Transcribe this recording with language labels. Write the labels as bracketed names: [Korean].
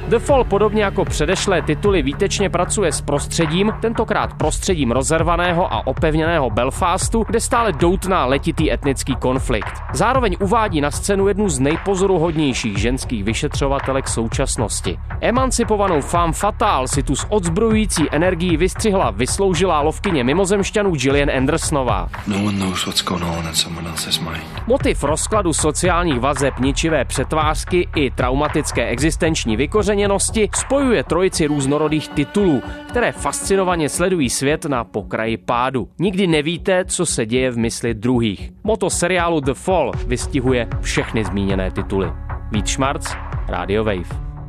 [Czech] The Fall podobně jako předešlé tituly výtečně pracuje s prostředím, tentokrát prostředím rozervaného a opevněného Belfastu, kde stále doutná letitý etnický konflikt. Zároveň uvádí na scénu jednu z nejpozoruhodnějších ženských vyšetřovatelek současnosti. Emancipovanou femme fatale si tu s odzbrojující energií vystřihla vysloužilá lovkyně mimozemšťanů Gillian Andersonová. [English] No one knows what's going on in someone else's mind. [Czech] Motiv rozkladu sociálních vazeb, ničivé přetvářky i traumatické existenční vykořeněnosti spojuje trojici různorodých titulů, které fascinovaně sledují svět na pokraji pádu. Nikdy nevíte, co se děje v mysli druhých. Moto seriálu The Fall vystihuje všechny zmíněné tituly. Vít Šmarc, Radio Wave.